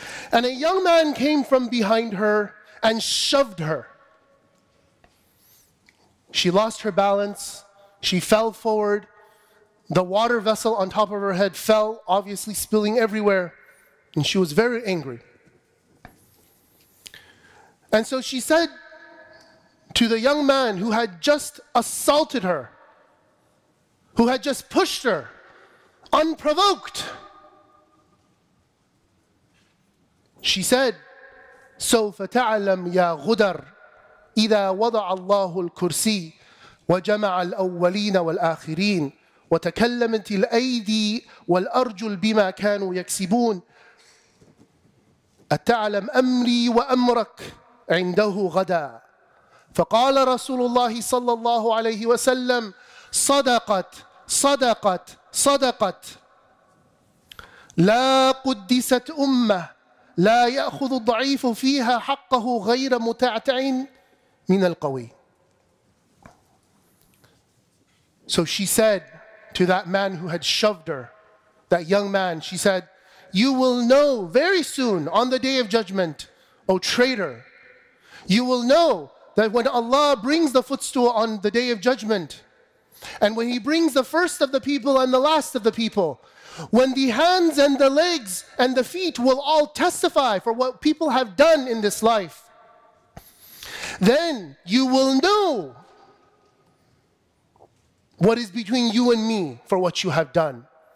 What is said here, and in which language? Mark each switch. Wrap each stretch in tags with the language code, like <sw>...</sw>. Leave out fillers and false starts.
<en>And a young man came from behind her and shoved her. She lost her balance. She fell forward. The water vessel on top of her head fell, obviously spilling everywhere. And she was very angry. And so she said to the young man who had just assaulted her, who had just pushed her, unprovoked, she said,</en> <ar>سَوْفَ تَعْلَمْ يَا غُدَرْ إِذَا وَضَعَ اللَّهُ الْكُرْسِي وَجَمَعَ الْأَوَّلِينَ وَالْآخِرِينَ وَتَكَلَّمَتِ الْأَيْدِي وَالْأَرْجُلْ بِمَا كَانُوا يَكْسِبُونَ أَتَعْلَمْ أَمْرِي وَأَمْرَكَ عِنْدَهُ غَدَى فَقَالَ رَسُولُ اللَّهِ صَلَّى اللَّهُ عَلَيْهِ وَسَلَّمْ صَدَقَتْ صَدَقَتْ صَدَقَتْ لَا قُدِّسَتْ أُمَّةَ لا يأخذ الضعيف فيها حقه غير متعتع من القوي.</ar> <en>So she said to that man who had shoved her, that young man, she said, you will know very soon on the day of judgment, O traitor, you will know that when Allah brings the footstool on the day of judgment, and when He brings the first of the people and the last of the people, when the hands and the legs and the feet will all testify for what people have done in this life, then you will know what is between you and me for what you have done.</en>